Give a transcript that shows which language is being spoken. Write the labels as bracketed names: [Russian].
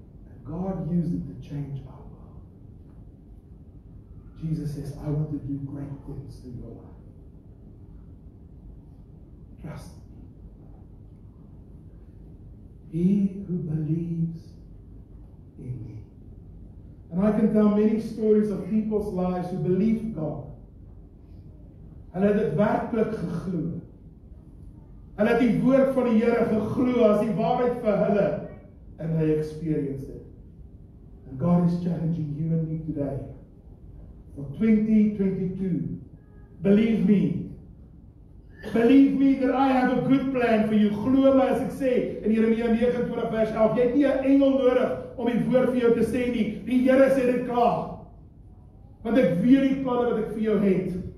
[English] And God used it to change our world. Jesus says, I want to do great things in your life. Trust. He who believes in me. And I can tell many stories of people's lives who believe God. [Afrikaans] Hulle het dit werklik geglo. Hulle het die woord van die Here geglo as die waarheid vir hulle. [English] And they experienced it. And God is challenging you and me today. For 2022, believe me. Believe me that I have a good plan for you. [Afrikaans] Glo my as ek sê in Jeremia 29 vers 11. Jy het nie 'n engel nodig om die woord vir jou te sê nie. Die Here sê dit klaar. Want ek weet die planne wat ek vir jou het.